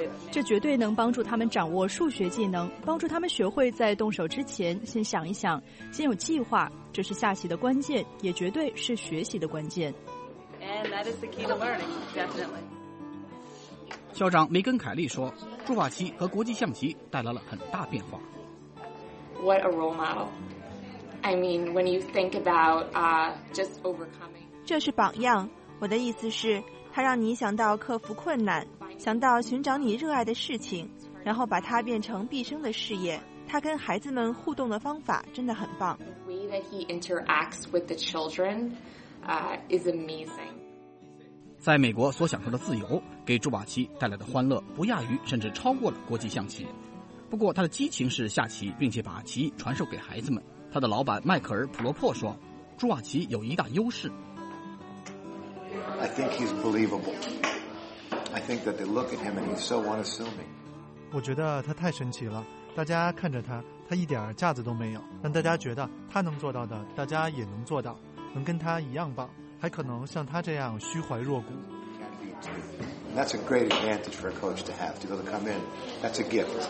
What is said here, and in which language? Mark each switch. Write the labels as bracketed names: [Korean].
[Chinese] 这绝对能帮助他们掌握数学技能，帮助他们学会在动手之前先想一想，先有计划，这是下棋的关键，也绝对是学习的关键。 [English] And that is the key to learning, definitely. [Chinese] 校长梅根·凯利说，朱瓦奇和国际象棋带来了很大变化。 [English] What a role model. I mean, when you think about just overcoming. [Chinese] 这是榜样，我的意思是它让你想到克服困难，想到寻找你热爱的事情，然后把它变成毕生的事业。它跟孩子们互动的方法真的很棒。 [English] The way that he interacts with the children, is amazing. [Chinese] 在美国所享受的自由，给朱瓦奇带来的欢乐不亚于甚至超过了国际象棋。不过他的激情是下棋，并且把棋传授给孩子们。他的老板迈克尔·普罗珀说，朱瓦奇有一大优势。 [English] I think he's believable. I think that they look at him and he's so unassuming. [Chinese] 我觉得他太神奇了，大家看着他，他一点架子都没有，让大家觉得他能做到的大家也能做到，能跟他一样棒，还可能像他这样虚怀若谷。 [English] That's a great advantage for a coach to have, to be able to come in. That's a gift.